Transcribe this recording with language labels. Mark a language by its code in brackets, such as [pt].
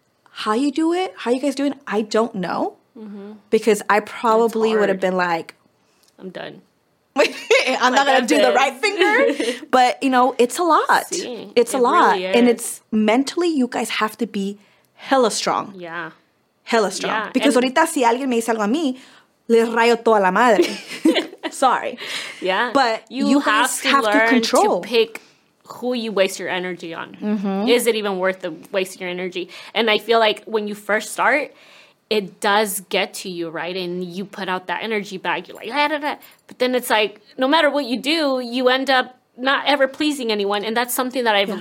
[en] How you do it? How you guys doing? I don't know. Mm-hmm. Because I probably would have been like, I'm done. I'm like not going to do the right finger. But, you know, it's a lot. See, it's a lot. Really is. And it's mentally, you guys have to be hella strong. Yeah. Hella strong. Yeah. Because and [es] ahorita, si alguien me dice algo a mí, le rayo toda la madre. [en] Sorry. Yeah. But you guys have to control. To pick who you waste your energy on. Mm-hmm. Is it even worth the wasting your energy? And I feel like when you first start, it does get to you, right? And you put out that energy bag. You're like, da, da. But then it's like, no matter what you do, you end up not ever pleasing anyone. And that's something that I've yeah.